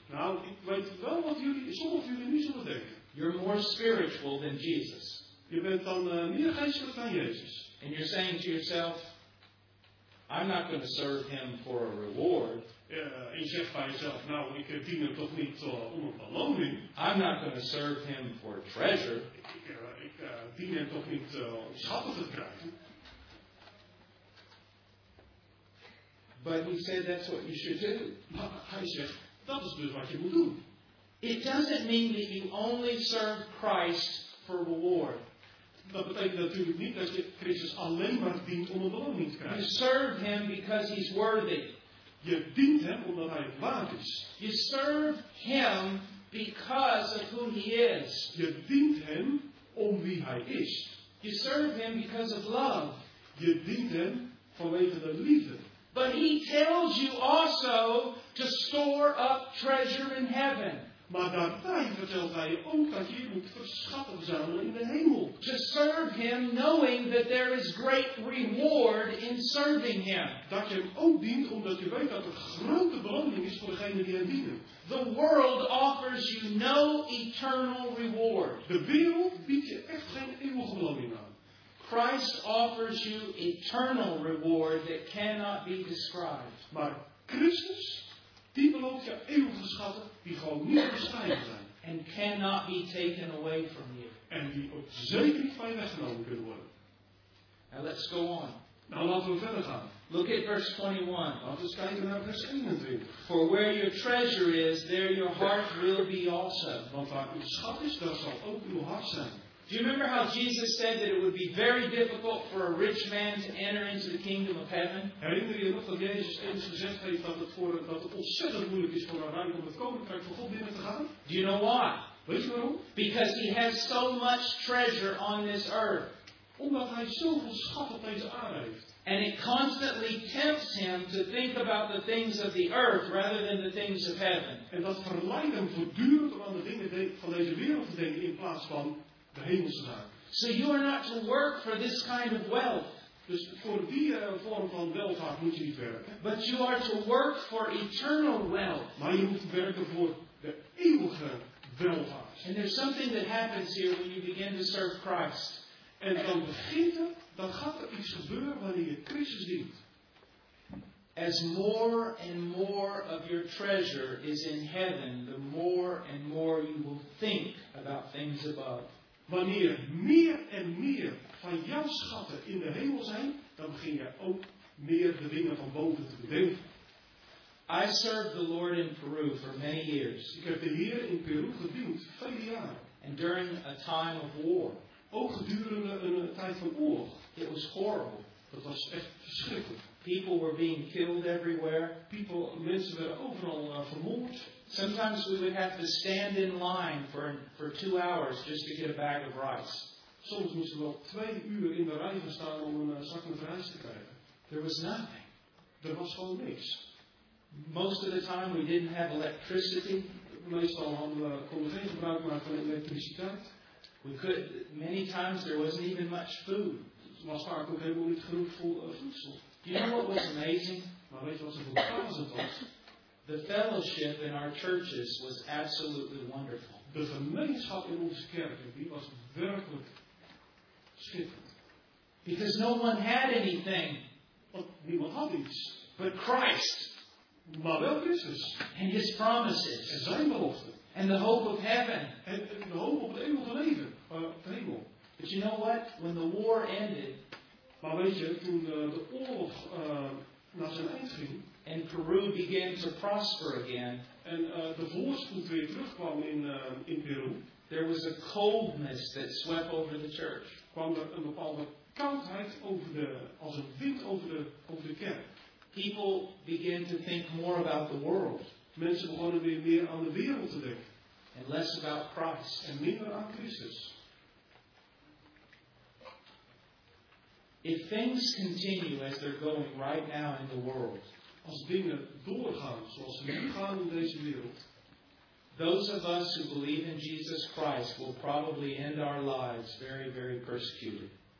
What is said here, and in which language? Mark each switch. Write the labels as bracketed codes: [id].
[nl] Nou, ik weet wel wat sommigen van jullie nu zullen denken. [en] You're more spiritual than Jesus. [nl] Je bent dan meer geestelijk dan Jezus. [en] And you're saying to yourself, I'm not going to serve him for a reward. [nl] En je zegt bij jezelf, nou, ik dien hem toch niet om een beloning. [en] I'm not going to serve him for a treasure. [nl] Ik dien hem toch niet om schatten te krijgen. [en] But he said that's what you should do. [nl] Maar hij zegt, dat is dus wat je moet doen. [en] It doesn't mean that you only serve Christ for reward. [nl] Dat betekent natuurlijk niet dat je Christus alleen maar dient om een beloning te krijgen. [en] You serve him because he's worthy. [nl] Je dient hem omdat hij waard is. [en] You serve him because of who he is. [nl] Je dient hem om wie hij is. [en] You serve him because of love. [nl] Je dient hem vanwege de liefde. [en] But he tells you also to store up treasure in heaven. [nl] Maar daarbij vertelt hij je ook dat je moet verschatten verzamelen in de hemel. [en] To serve him knowing that there is great reward in serving him. [nl] Dat je hem ook dient omdat je weet dat er grote beloning is voor degene die hem dienen. [en] The world offers you no eternal reward. [nl] De wereld biedt je echt geen eeuwige beloning aan. [en] Christ offers you eternal reward that cannot be described. [nl] Maar Christus, die belooft je eeuwige schatten die gewoon niet beschrijven zijn. [en] And cannot be taken away from you. [nl] En die ook zeker niet van je weggenomen kunnen worden. [en] Now let's go on. [nl] Nou laten we verder gaan. [en] Look at verse 21. [nl] Laten we eens kijken naar vers 21. [en] For where your treasure is, there your heart will be also. [nl] Want waar uw schat is, daar zal ook uw hart zijn. [en] Do you remember how Jesus said that it would be very difficult for a rich man to enter into the kingdom of heaven? [nl] Herinner je nog dat Jezus eens gezegd heeft dat het ontzettend moeilijk is voor een rijk om het koninkrijk van God binnen te gaan? [en] Do you know why? [nl] Weet je waarom? [en] Because he has so much treasure on this earth. [nl] Omdat hij zoveel schat op deze aarde heeft. [en] And it constantly tempts him to think about the things of the earth rather than the things of heaven. [nl] En dat verleidt hem voortdurend om aan de dingen van deze wereld te denken in plaats van de hemelse zaak. [en] So you are not to work for this kind of wealth. [nl] Dus voor die vorm van welvaart moet je niet werken. [en] But you are to work for eternal wealth. [nl] Maar je moet werken voor de eeuwige welvaart. [en] And there's something that happens here when you begin to serve Christ. [nl] En dan begint er, dan gaat er iets gebeuren wanneer je Christus dient. [en] As more and more of your treasure is in heaven, the more and more you will think about things above. [nl] Wanneer meer en meer van jouw schatten in de hemel zijn, dan begin je ook meer de dingen van boven te bedenken. [en] I served the Lord in Peru for many years. [nl] Ik heb de Heer in Peru gediend, vele jaren. [en] And during a time of war. [nl] Ook gedurende een tijd van oorlog. [en] It was horrible. [nl] Dat was echt verschrikkelijk. [en] People were being killed everywhere. [nl] Mensen werden overal vermoord. [en] Sometimes we would have to stand in line for 2 hours just to get a bag of rice. [nl] Soms moesten we wel 2 uur in de rij gaan staan om een zak met rijst te krijgen. [en] There was nothing. [nl] Er was gewoon niks. [en] Most of the time we didn't have electricity. [nl] Meestal hadden we geen gebruik maken van elektriciteit. [en] Many times there wasn't even much food. [nl] Er was vaak ook helemaal niet genoeg voedsel. [en] Do you know what was amazing? [nl] Maar weet je wat er verbazend was? [en] The fellowship in our churches was absolutely wonderful. [nl] De gemeenschap in onze kerken, die was werkelijk schitterend. [en] Because no one had anything. [nl] Want niemand had iets. [en] But Christ. [nl] Maar wel Christus. [en] And his promises. [nl] En zijn beloften. [en] And the hope of heaven. [nl] En de hoop op het eeuwige leven. [en] But you know what? When the war ended. [nl] Maar weet je, toen de oorlog naar zijn eind ging. [en] And Peru began to prosper again. [nl] En de voorspoed weer terugkwam in Peru. [en] There was a coldness that swept over the church. [nl] Kwam er een bepaalde koudheid over de, als een wind over de kerk. [en] People began to think more about the world. [nl] Mensen begonnen weer meer aan de wereld te denken. [en] And less about Christ. [nl] En minder aan Christus. [en] If things continue as they're going right now in the world. [nl] Als dingen doorgaan zoals ze nu gaan in deze wereld. [en] Those of us who believe in Jesus Christ will probably end our lives very, very persecuted.